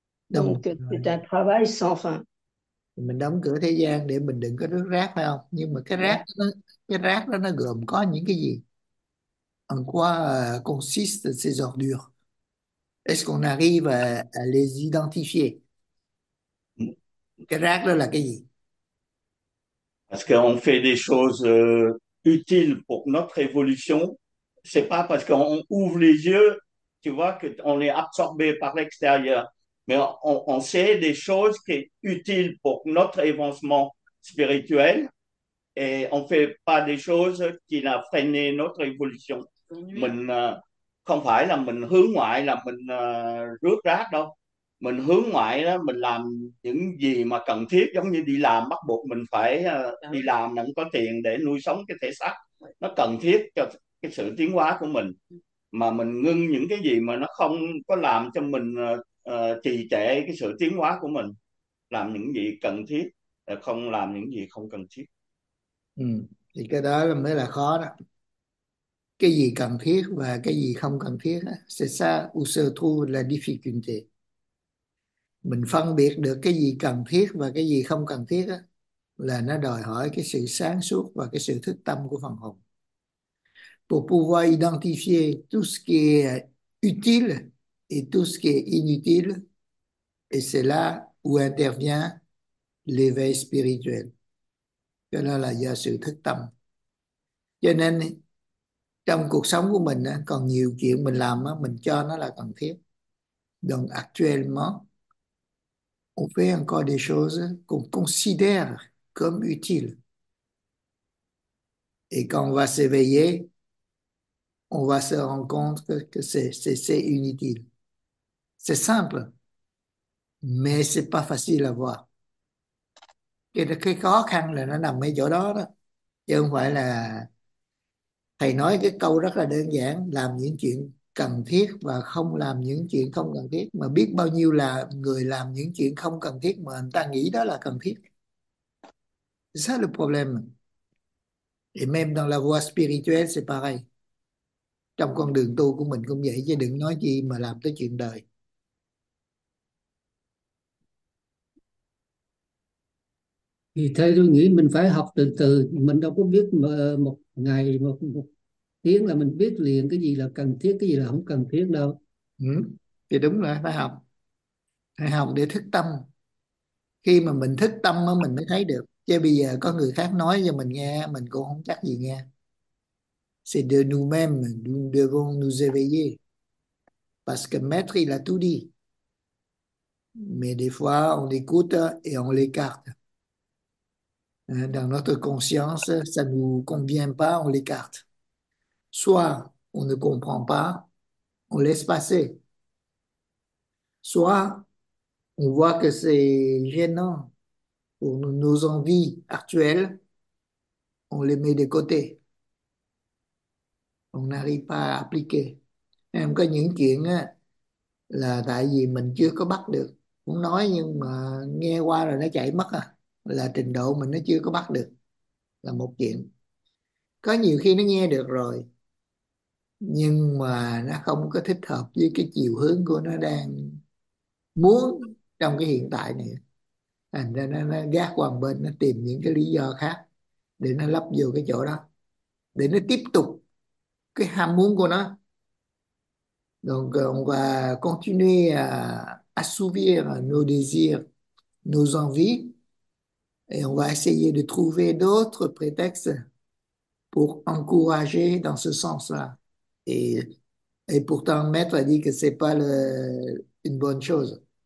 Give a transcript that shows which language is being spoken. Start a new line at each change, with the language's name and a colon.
Vietnamese: Đóng
French: Donc, c'est un travail sans fin.
Vietnamese: mình đóng cửa thế gian để mình đừng có đứng rác phải không? Nhưng mà cái rác đó nó gồm có những cái gì?
French: En quoi consiste ces ordures? Est-ce qu'on arrive à les identifier?
Vietnamese: Cái rác đó là cái gì?
French: Parce qu'on fait des choses utiles pour notre évolution, c'est pas parce qu'on ouvre les yeux, tu vois, qu'on est absorbé par l'extérieur. Mais on sait des choses qui sont utiles pour notre avancement spirituel et on ne fait pas des choses qui ont freiné notre évolution.
Vietnamese: Mình không phải là mình hướng ngoại là mình rước rác đâu. Mình hướng ngoại đó, mình làm những gì mà cần thiết giống như đi làm bắt buộc mình phải đi làm để có tiền để nuôi sống cái thể xác. Nó cần thiết cho cái sự tiến hóa của mình. Mà mình ngưng những cái gì mà nó không có làm cho mình trì trệ cái sự tiến hóa của mình, làm những gì cần thiết, không làm những gì không cần thiết. Thì cái đó là mới là khó đó. Cái gì cần thiết và cái gì không cần thiết đó,
French: c'est ça où se trouve la difficulté.
Vietnamese: Mình phân biệt được cái gì cần thiết và cái gì không cần thiết đó, là nó đòi hỏi cái sự sáng suốt và cái sự thức tâm của phần hồn.
French: Pour pouvoir identifier tout ce qui est utile et tout ce qui est inutile, et c'est là où intervient l'éveil spirituel.
Vietnamese: Cho nên là do sự thức tâm. Cho nên trong cuộc sống của mình còn nhiều chuyện mình làm mình cho nó là cần thiết.
French: Donc actuellement, on fait encore des choses qu'on considère comme utiles. Et quand on va s'éveiller, on va se rendre compte que c'est inutile. C'est simple, mais ce n'est pas facile à voir.
Vietnamese: Cái khó khăn là nó nằm ở chỗ đó đó. Chứ không phải là thầy nói cái câu rất là đơn giản, làm những chuyện cần thiết và không làm những chuyện không cần thiết. Mà biết bao nhiêu là người làm những chuyện không cần thiết mà người ta nghĩ đó là cần thiết. C'est ça le problème. Et même dans la voie spirituelle, c'est pareil. Trong con đường tu của mình cũng vậy, chứ đừng nói gì mà làm tới chuyện đời. Thì thầy tôi nghĩ mình phải học từ từ, mình đâu có biết mà một ngày một tiếng là mình biết liền cái gì là cần thiết, cái gì là không cần thiết đâu. Ừ. Thì đúng rồi, phải học. Phải học để thức tâm. Khi mà mình thức tâm mình mới thấy được. Chứ bây giờ có người khác nói cho mình nghe, mình cũng không chắc gì nghe.
French: C'est de nous-mêmes, nous devons nous éveiller. Parce que maître, il a tout dit. Mais des fois, on écoute et on l'écarte. Dans notre conscience, ça ne nous convient pas, on l'écarte. Soit on ne comprend pas, on laisse passer. Soit on voit que c'est gênant pour nos envies actuelles, on les met de côté. On n'arrive pas à appliquer.
Vietnamese: Em có những chuyện là tại vì mình chưa có bắt được, muốn nói nhưng mà nghe qua rồi nó chạy mất à, là trình độ mình nó chưa có bắt được là một chuyện. Có nhiều khi nó nghe được rồi nhưng mà nó không có thích hợp với cái chiều hướng của nó đang muốn trong cái hiện tại này, thành ra nó gác qua một bên, nó tìm những cái lý do khác để nó lấp vô cái chỗ đó để nó tiếp tục cái ham muốn của nó.
French: Donc, on va continuer à assouvir nos désirs, nos envies, et on va essayer de trouver d'autres prétextes pour encourager dans ce sens-là. Et pourtant, maître a dit que c'est pas une bonne chose.